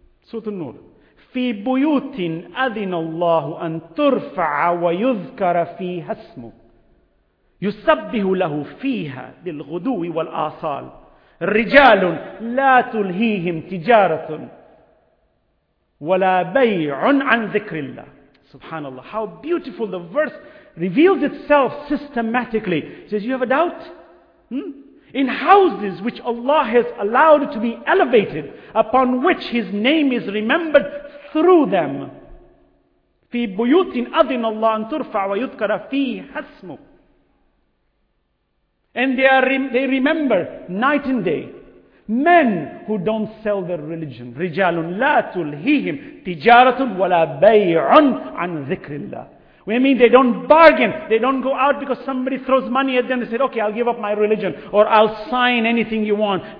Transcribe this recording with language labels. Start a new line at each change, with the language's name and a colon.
Arabic: Surah An-Nur. فِي بُيُوتٍ أَذِنَ اللَّهُ أَن تُرْفَعَ وَيُذْكَرَ فِيهَا اسْمُهُ يُسَبِّهُ لَهُ فِيهَا بِالْغُدُوِّ وَالْآصَالِ رجال لا تلهيهم تجارة ولا بيع عن ذكر الله. سبحان الله.
English: How beautiful the verse reveals itself systematically. It says, you have a doubt? In houses which Allah has allowed to be elevated, upon which His name is remembered through them.
Arabic: في بيوت أذن الله أن ترفع ويذكر فيها اسمه.
English: And they remember night and day men who don't sell their religion.
Arabic: رِجَالٌ لَا تُلْهِيهِمْ تِجَارَةٌ وَلَا بَيْعٌ عَنْ ذِكْرِ اللَّهِ.
English: We mean they don't bargain. They don't go out because somebody throws money at them and said, okay, I'll give up my religion or I'll sign anything you want.